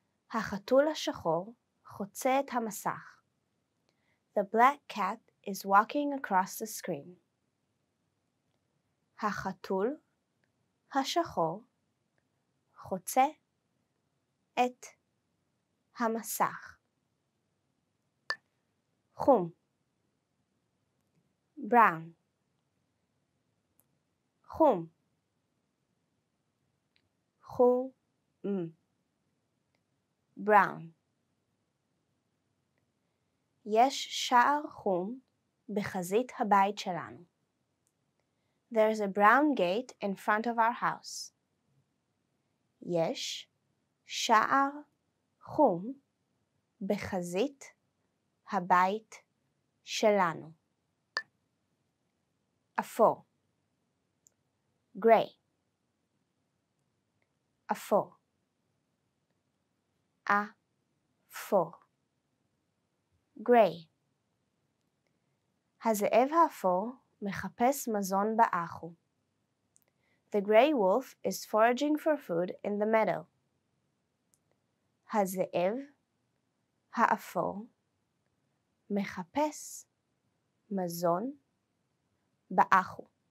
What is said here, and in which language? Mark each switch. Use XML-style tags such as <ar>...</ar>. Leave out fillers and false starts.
<he>החתול השחור חוצה את המסך.</he> <en>The black cat is walking across the screen.</en> <he>החתול השחור חוצה את המסך. חום.</he> <en>Brown.</en> <he>חום. חום.</he> <en>Brown.</en> <he>יש שער חום בחזית הבית שלנו.</he> <en>There's a brown gate in front of our house.</en> <he>יש שער חום בחזית הבית שלנו. אפור.</he> <en>Gray.</en> <he>אפור. אפור.</he> <en>גריי.</en> <he>הזאב האפור מחפש מזון באחו.</he> <en>The gray wolf is foraging for food in the meadow.</en> <he>הזאב האפור מחפש מזון באחו.</he>